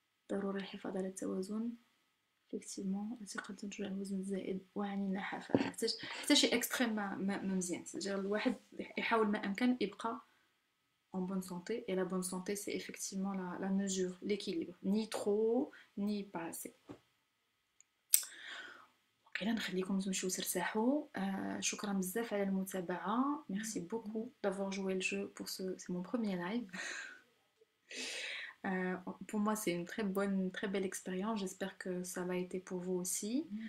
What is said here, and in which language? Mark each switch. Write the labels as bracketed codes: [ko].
[ar] ضروري الحفاظ على التوازن [fr] effectivement c'est quand tu as besoin de [ar] زائد وعني النحافة حتى شي اكستريم ما مزيان، يعني الواحد يحاول ما امكن يبقى [fr] en bonne santé. Et la bonne santé, c'est effectivement la mesure, l'équilibre, ni trop ni pas assez. OK, là on [ar] خليكم تمشيو ترتاحوا. شكرا بزاف على المتابعه. [fr] Merci beaucoup d'avoir joué le jeu pour c'est mon premier live. pour moi, c'est une très belle expérience. J'espère que ça l'a été pour vous aussi.